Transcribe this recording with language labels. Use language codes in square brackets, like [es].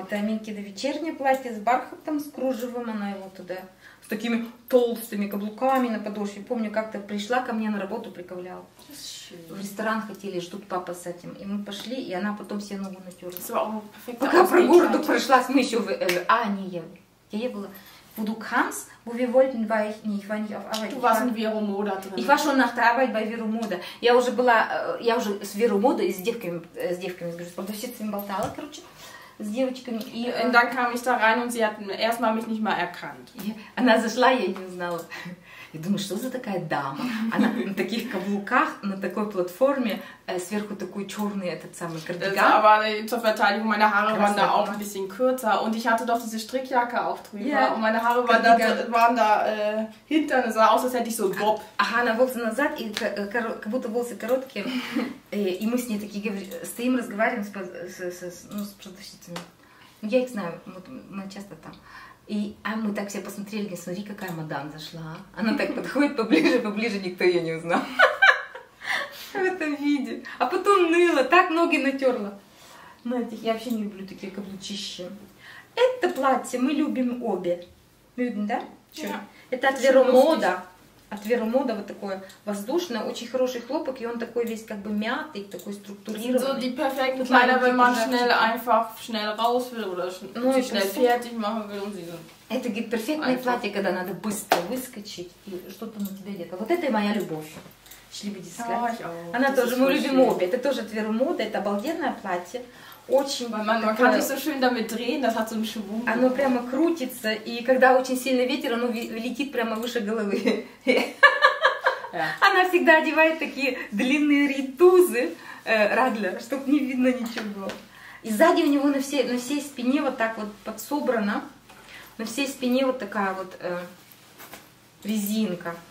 [ru] Это Аминкино вечернее платье с бархатом, с кружевом, она его туда... С такими толстыми каблуками на подошве. Помню, как-то пришла ко мне на работу, приковыляла. В ресторан хотели, ждут папа с этим. И мы пошли, и она потом себе ногу натерла. Пока про городу прошлась, мы еще в... А, не я. Я ей была... [de] Wo du kamst, wo wir wollten, war ich nicht, war nicht auf Arbeit. Du warst in Vero Moda drin. Ich war schon nach der Arbeit bei Vero Moda. [ru] Я уже с Vero Moda и с девками, с продавщицами болтала, короче, с девочками. И [de] dann kam ich da rein und sie hat erstmal mich nicht mal erkannt. [ru] Она зашла, я не узнала. Я думаю, что за такая дама? Она на таких каблуках, на такой платформе, сверху такой черный этот самый кардиган. Это, [de] aber zur Verteidigung, meine Haare [ru] Красота. [de] Waren da auch ein bisschen kürzer. Und ich hatte doch diese Strickjacke auch drüber. Yeah. Und meine Haare waren da hintern, es sah aus, als hätte ich so Bob. [ru] Ага, она волосы назад, и как будто волосы короткие. И мы с ней такие стоим, разговариваем с продавщицами. Я их знаю, мы часто там. И мы так все посмотрели, говорит, смотри, какая мадам зашла. Она так подходит поближе, никто ее не узнал. В этом виде. А потом ныла, так ноги натерла. На этих, я вообще не люблю такие каблучища. Это платье мы любим обе. Любим, да? Че? Это от Vero Moda. От Vero Moda вот такое воздушное, очень хороший хлопок, и он такой весь как бы мятый, такой структурированный. [de] So die perfekten Kleider, wenn man schnell einfach schnell raus will oder sich schnell fertig machen will und sie sind. [ru] Это говорит, перфектное платье, когда надо быстро выскочить и что-то на тебе одето. Вот это и моя любовь. Шлибидискай. Она тоже, мы любим обе. Это тоже от Vero Moda, это обалденное платье. Очень [de] Man kann sich so schön damit drehen, das hat so einen Schwung. [ru] Оно прямо крутится, и когда очень сильный ветер, оно летит прямо выше головы. Она всегда одевает такие длинные ритузы, Радля, чтобы не видно ничего. И сзади у него на всей спине вот так вот подсобрано, на всей спине вот такая вот резинка.